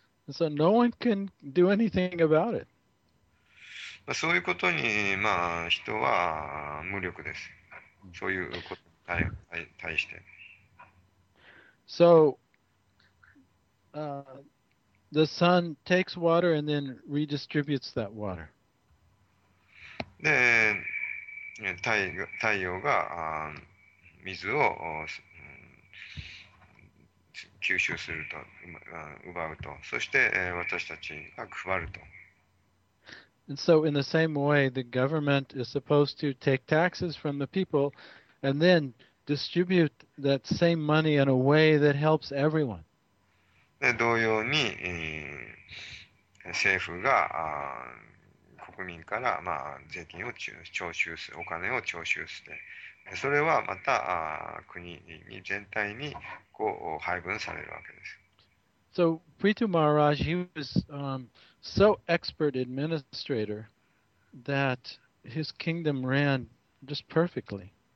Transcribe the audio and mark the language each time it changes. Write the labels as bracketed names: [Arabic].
[English] So no one can do anything about it. [Japanese] まあ、そういうことに、まあ、人は無力です。そういうことに対して。 [English] So, the sun takes water and then redistributes that water. [Japanese] で、太陽が水を吸収すると、奪うと、そして私たちが配ると。 [English] And so in the same way, the government is supposed to take taxes from the people and then distribute that same money in a way that helps everyone. [Japanese] で、同様に、政府が国民から、まあ、税金を徴収する、お金を徴収して、それはまた国に全体にこう配分されるわけです。 [English] So, Prithu Maharaj, he was so expert administrator that his kingdom ran just perfectly.